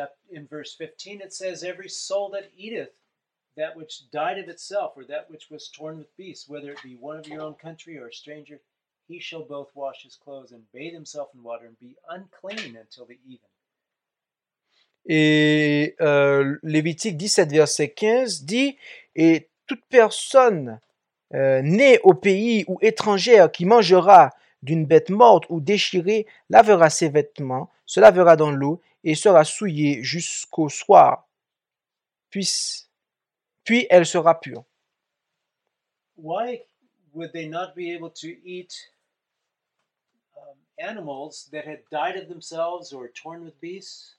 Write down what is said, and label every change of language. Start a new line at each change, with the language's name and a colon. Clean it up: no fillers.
English: In verse 15, it says, "Every soul that eateth that which died of itself, or that which was torn with beasts, whether it be one of your own country or a stranger, he shall both wash his clothes and bathe himself in water and be unclean until the even."
French: Et Lévitique 17, verset 15 dit, « Et toute personne née au pays ou étrangère qui mangera d'une bête morte ou déchirée lavera ses vêtements, se lavera dans l'eau et sera souillée jusqu'au soir. Puis elle sera pure.
English: Why would they not be able to eat animals that had died of themselves or torn with beasts?